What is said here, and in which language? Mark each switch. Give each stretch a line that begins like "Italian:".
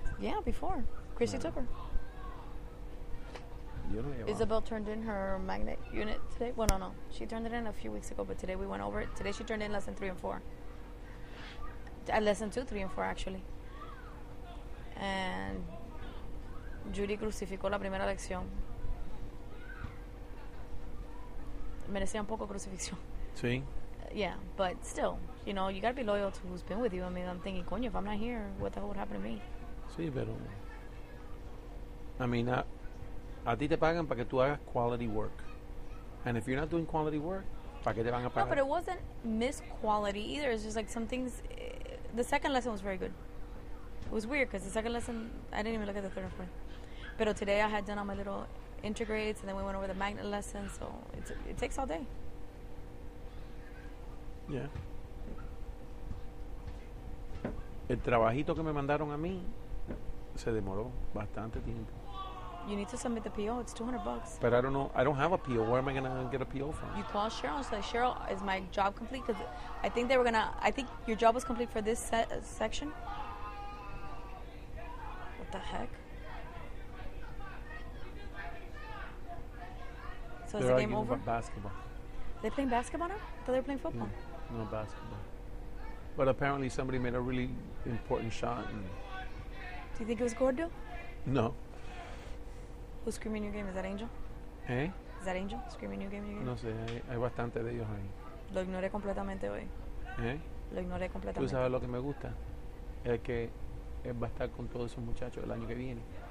English: Yeah, before. Christy took her. Isabel turned in her magnet unit today. Well, no. She turned it in a few weeks ago, but today we went over it. Today she turned in lesson 3 and 4. Lesson 2, 3 and 4, actually. And
Spanish: Judy crucificó la primera lección. Merecía un poco crucifixión. Sí.
English: Yeah, but still, you know, you gotta be loyal to who's been with you. I mean, I'm thinking, coño, if I'm not here, what the hell would happen to me?
Spanish: Sí, pero...
English: I mean,
Spanish: a ti te pagan para que tú hagas
English: quality work. And if you're not doing quality work,
Spanish: ¿para qué te van a pagar?
English: No, but it wasn't missed quality either. It's just like some things... the second lesson was very good. It was weird because the second lesson, I didn't even look at the third or fourth.
Spanish: Pero
English: today I had done all my little integrates, and then we went over the magnet lesson, so it takes all day. Yeah.
Spanish: El trabajito que me mandaron a mí se demoró bastante tiempo.
English: You need to submit the PO. It's $200. But I don't know. I don't have a PO. Where am I going to get a PO from? You call Cheryl and say, Cheryl, is my job complete? Because I think they were going to... I think your job was complete for this section. What the heck? So they're is the game over? They're arguing basketball. Are they playing basketball now? I thought they were playing football. No, no basketball. But apparently somebody made a really important shot. And do you think it was Gordo? No. Who's screaming your game? Is that Angel? Eh? Is that Angel screaming your game? Your game?
Spanish: No sé. Hay bastante de ellos ahí. Lo ignoré completamente hoy. Eh? Lo ignoré completamente. ¿Tú sabes lo que me gusta? Es que él va a estar con todos esos muchachos el año que viene.